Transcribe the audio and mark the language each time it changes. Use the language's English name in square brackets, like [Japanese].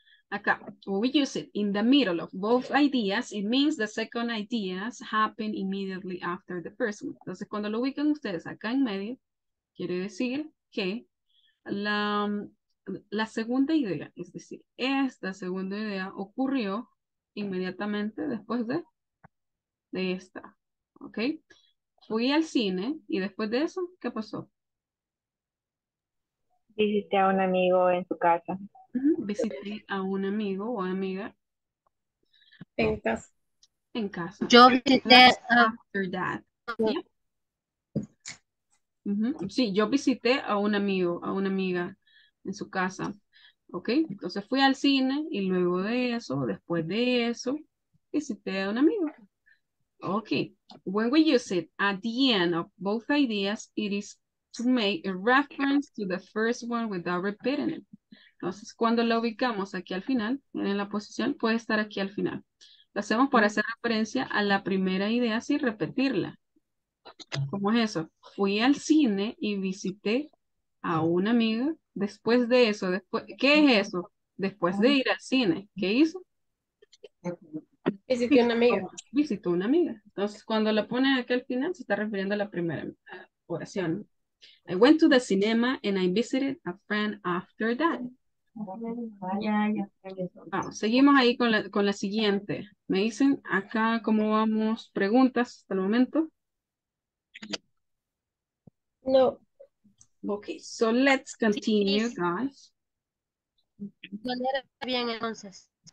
[English] Acá. Where we use it in the middle of both ideas, it means the second ideas happen immediately after the first one. [Spanish] Entonces, cuando lo ubican ustedes acá en medio, quiere decir que la segunda idea, es decir, esta segunda idea ocurrió inmediatamente después de esta, ¿ok? Fui al cine y después de eso, ¿qué pasó? Visité a un amigo en su casa. Visité a un amigo o amiga. En casa. En casa. Yo visité a... [English] After that. [Spanish] Sí, yo visité a un amigo, a una amiga en su casa, ¿ok? Entonces fui al cine y luego de eso, después de eso, visité a un amigo. [English] Ok, when we use it at the end of both ideas, it is to make a reference to the first one without repeating it. [Spanish] Entonces, cuando lo ubicamos aquí al final, en la posición, puede estar aquí al final. Lo hacemos para hacer referencia a la primera idea sin repetirla. ¿Cómo es eso? Fui al cine y visité a una amiga. Después de eso, después, ¿qué es eso? Después de ir al cine, ¿qué hizo? Visité a una amiga. Visitó una amiga. Entonces, cuando lo pone aquí al final, se está refiriendo a la primera oración. [English] I went to the cinema and I visited a friend after that. [Spanish] Vamos, seguimos ahí con la siguiente. Me dicen acá cómo vamos, preguntas hasta el momento. No. [English] Okay, so let's continue, sí, guys. [Spanish] Manera, bien, entonces.